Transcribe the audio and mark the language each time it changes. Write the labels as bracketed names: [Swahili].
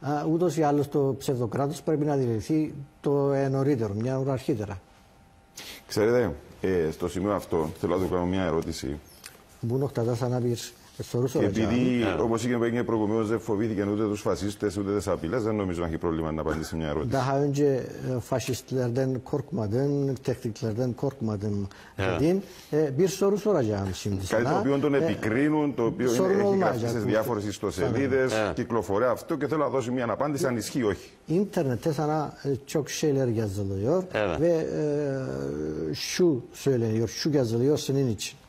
[Greek] Ούτως ή άλλως το ψευδοκράτος πρέπει να διαλυθεί το νωρίτερο, μια ώρα αρχίτερα. Ξέρετε, στο σημείο αυτό θέλω να του κάνω μια ερώτηση. Μπούν οχταδά σαν άβειρς στο Ρούσο. Επειδή, όπως είχε πει προηγουμένως, δεν φοβήθηκαν ούτε τους φασίστες ούτε τις απειλές, δεν νομίζω να έχει πρόβλημα να απαντήσει μια ερώτηση. [Turkish] Daha önce faşistler den korkmadın, tehditler den korkmadın dedin. Bir soru soracağım şimdi [Greek] sana. Κάτι το οποίο τον επικρίνουν, το οποίο έχει γράψει στις διάφορες ιστοσελίδες, κυκλοφορεί αυτό και θέλω να δώσει μια απάντηση αν ισχύει ή όχι. [Turkish] İnternette sana çok şeyler yazılıyor ve şu söyleniyor, şu yazılıyor senin için.